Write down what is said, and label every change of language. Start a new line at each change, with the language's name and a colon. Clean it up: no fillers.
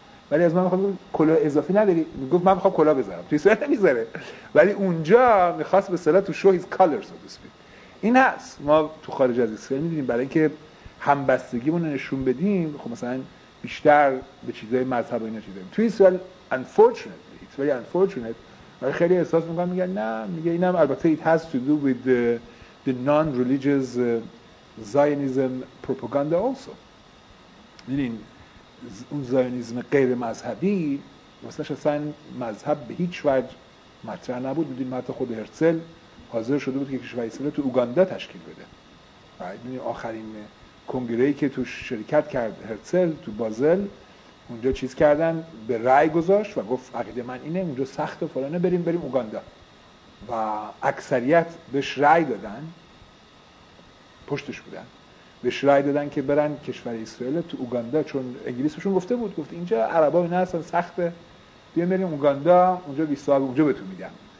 Persian: ولی از من میخواد کلاه اضافی نداری، میگفت من میخوام کلاه بذارم تو اسرائیل نمیذاره، ولی اونجا میخواست به اصطلاح
English: To show his colours of Israel.
Persian: این هست، ما تو خارج از اسرائیل میدیدیم برای اینکه همبستگیمون رو نشون بدیم، خب مثلا بیشتر به چیزای مذهبی نشیدیم تو اسرائیل.
English: unfortunately it's very unfortunate.
Persian: ولی خیلی احساس میکنم میگن نه، میگه اینم البته
English: it has to do with the non-religious Zionism propaganda also.
Persian: میدین اون زیونیزم غیر مذهبی واسه اصلا مذهب به هیچ وجه مطرح نبود. میدین حتی خود هرتزل حاضر شده بود که کشور اسرائیل تو اوگاندا تشکیل بده. میدین آخرین کنگره‌ای که تو شرکت کرد هرتزل تو بازل، اونجا چیز کردن به رأی گذاشت و گفت عقیده من اینه اونجا سخت و فلانه، بریم اوگاندا، و اکثریت بهش رأی دادن، پشتش بودن، بهش رأی دادن که برن کشور اسرائیل تو اوگاندا، چون انگلیسشون گفته بود، گفت اینجا عربا اینا هستن سخته، بیان بریم اوگاندا اونجا 20 سال اونجا بهتون میدن.